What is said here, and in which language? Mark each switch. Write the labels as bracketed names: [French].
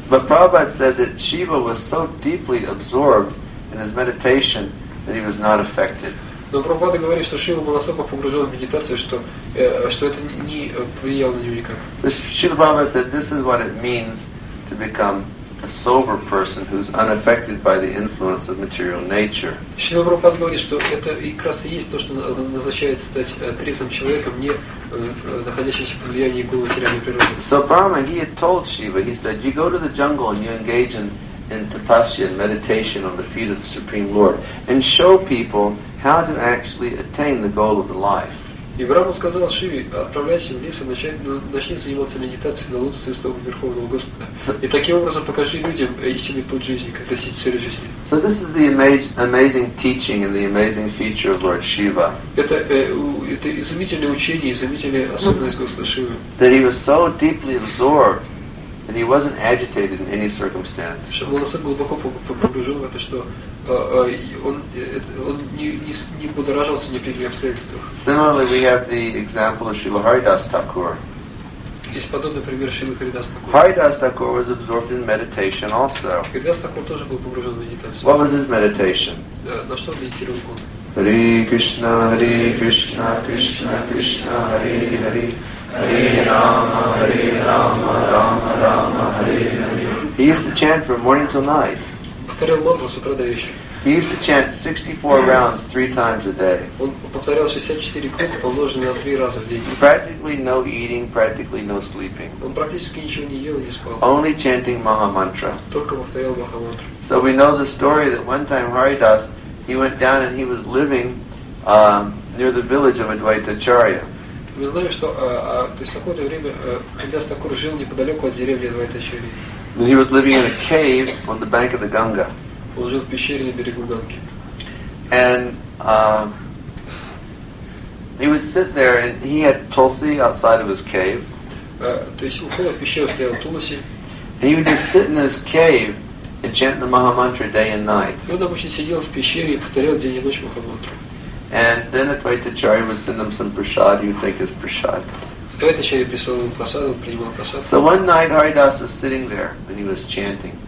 [English] But Prabhupada said that Shiva was so deeply absorbed in his meditation that he was not affected. [Russian] Но Прабхупада говорит, что Шива был настолько погружен в медитацию, что что это не повлияло на него никак. [English] So Shiva Prabhupada said, this is what it means to become a sober person who's unaffected by the influence of material nature. [Russian] Шрила Прабхупада говорит, что это как раз и есть то, что назначает стать трезвым человеком, не находящимся под влиянием гуру материальной природы. [English] So Brahma, he had told Shiva, he said, you go to the jungle and you engage in tapasya and meditation on the feet of the Supreme Lord and show people how to actually attain the goal of the life. [Russian] И Брама сказал Шиве, отправляйся в лес и начни заниматься медитацией на лотосе стопы Верховного Господа. И таким образом покажи людям истинный путь жизни, как достичь цели жизни. [English] So this is the amazing teaching and the amazing feature of Lord Shiva. [Russian] Это изумительное учение, изумительная особенность Господа Шивы. [English] That he was so deeply absorbed that he wasn't agitated in any circumstance. [Russian] Что было настолько глубоко погружено в это, что он не будоражился ни при каких обстоятельствах. [English] Similarly, we have the example of Srila Haridas Thakur. [Russian] Есть подобный пример Шрилы Харидас Такур. [English] Haridas Thakur was absorbed in meditation also. [Russian] Харидас Такур тоже был погружен в медитацию. [English] What was his meditation? [Russian] На что медитировал он? [Sanskrit] Hare Krishna, Hare Krishna, Krishna Krishna, Hare Hare, Hare Rama, Rama Rama, Hare Hare. [English] He used to chant from morning till night. [Russian] Повторял мантру с утра до вечера. [English] He used to chant 64 rounds 3 times a day. [Russian] Он повторял 64 круга, помноженные на 3 раза в день. [English] Practically no eating, practically no sleeping. [Russian] Он практически ничего не ел и не спал. [English] Only chanting Mahamantra. [Russian] Только повторял Махамантру. [English] So we know the story that one time Haridas, he went down and he was living near the village of Advaitacharya. [Russian] Мы знаем, что то есть какое-то время Haridas Thakur жил неподалеку от деревни Advaitacharya. [English] And he was living in a cave on the bank of the Ganga. [Russian] Он жил в пещере на берегу Ганги. [English] And he would sit there, and he had tulsi outside of his cave. [Russian] То есть у входа в пещеру стоял тулси. [English] And he would just sit in his cave and chant the Maha Mantra day and night. [Russian] И он обычно сидел в пещере и повторял день и ночь Маха Мантру. [English] And then Advaitacharya would send him some prasad. He would take his prasad. So one night Haridas was sitting there and he was chanting.